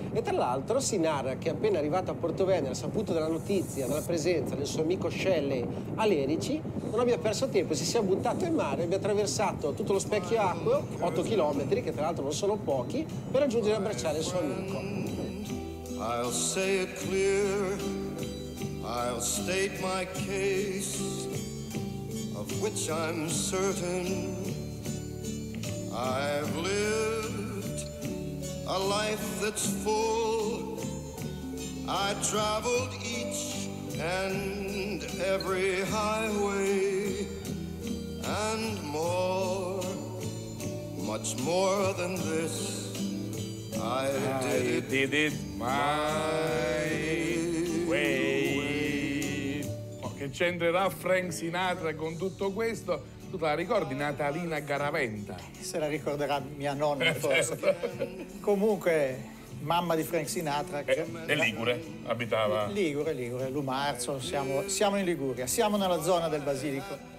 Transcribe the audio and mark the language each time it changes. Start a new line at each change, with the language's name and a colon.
Italian: E tra l'altro si narra che appena arrivato a Porto Venere, ha saputo della notizia, della presenza del suo amico Shelley a Lerici, non abbia perso tempo e si sia buttato in mare, abbia attraversato tutto lo specchio acqueo, 8 chilometri, che tra l'altro non sono pochi, per raggiungere e abbracciare il suo amico.
English: I'll say it clear, I'll state my case, of which I'm certain, I've lived a life that's full, I traveled each and every highway and more, much more than this, I did it my way.
Italian: Oh, che c'entrerà Frank Sinatra con tutto questo? Tu te la ricordi Natalina Garaventa? Se la ricorderà mia nonna forse. Certo. Comunque, mamma di Frank Sinatra. E Ligure, abitava. Ligure, Lumarzo, siamo in Liguria, siamo nella zona del basilico.